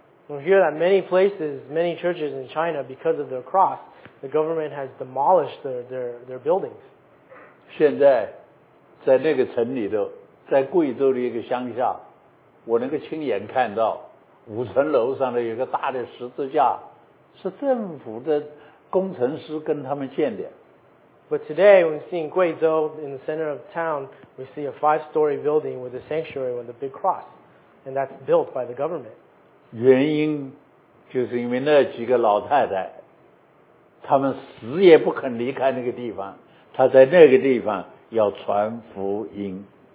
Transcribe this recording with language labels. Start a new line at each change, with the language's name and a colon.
English: We hear that many places, many churches in China, because of their cross, the government has demolished their buildings.
Chinese: 现在在那个城里头，在贵州的一个乡下，我能够亲眼看到五层楼上的有个大的十字架，是政府的工程师跟他们建的。
English: But today, when we see in Guizhou, in the center of town, we see a five-story building with a sanctuary with a big cross, and that's built by the government.
Chinese: 原因就是因为那几个老太太，他们死也不肯离开那个地方，他在那个地方要传福音。